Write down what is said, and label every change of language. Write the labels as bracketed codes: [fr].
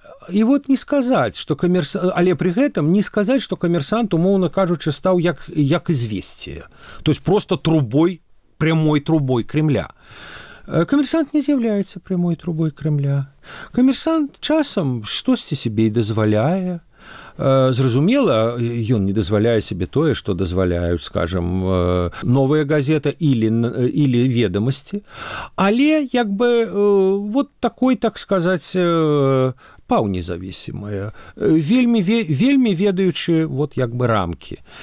[be] І вот не сказаць, што Камерсант, але пры гэтым не сказаць, што Камерсант, умоўна кажучы, стаў як звесці. [ru] То есть просто трубой, прямой трубой Кремля. [be] Камерсант не з'яўляецца прямой трубой Кремля. Камерсант часам штосьці сябе і дазваляе. Зразумела, ён не дазваляе сябе тое, што дазваляюць, скажам, новая газета или ведомасці. Але як бы вот такой, так сказаць, паўнезавісімая, вельмі ведаючы вот як бы рамкі.